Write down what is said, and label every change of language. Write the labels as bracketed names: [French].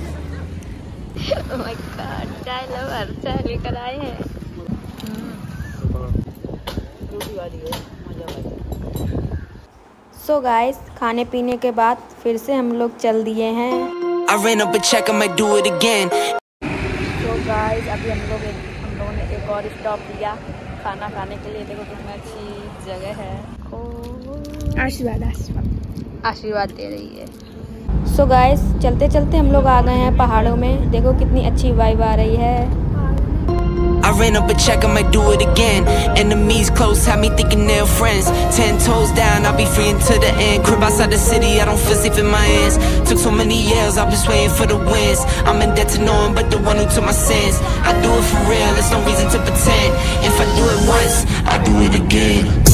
[English] oh my god, [Hindi] चाय lover चाय लेकर आए हैं। [English] So guys, [Hindi] खाने पीने के बाद फिर से हम लोग चल दिए हैं। [English] I ran up a check, I might do it again. So guys, [Hindi] अभी हम लोगों ने एक और स्टॉप लिया खाना खाने के लिए। देखो कितनी अच्छी जगह है। आशीर्वाद आशीर्वाद आशीर्वाद दे रही है। [English] So guys, [Hindi] चलते चलते हम लोग आ गए हैं पहाड़ों में। देखो कितनी अच्छी वाइब आ रही है। [English] I ran up a check, I might do it again. Enemies close, have me thinking they're friends. 10 toes down, I'll be free until the end. Crib outside the city, I don't feel safe in my hands. Took so many years, I've been swaying for the winds. I'm in debt to no one but the one who took my sins. I do it for real, there's no reason to pretend. If I do it once, I'll do it again.